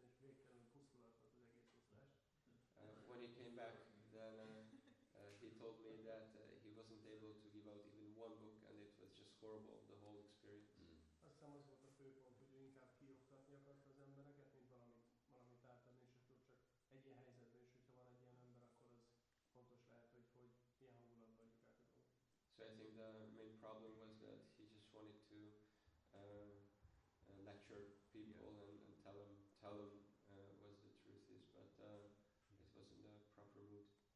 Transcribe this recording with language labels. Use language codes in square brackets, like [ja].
[en] When he came back, then he told me that he wasn't able to give out even one book, and it was just horrible, the whole experience. Mm. [hu] Azt hiszem az volt a fő pont, hogy ő inkább kioktatni akart az embereket, mint valamit átadni, és akkor csak egy ilyen helyzetben is, hogyha van egy ilyen ember, akkor az fontos lehet, hogy milyen hangulatban adjuk át a dolgot. [en] So I think the main problem was that he just wanted to lecture people, yeah. and tell them what the truth is, but it wasn't the proper mood.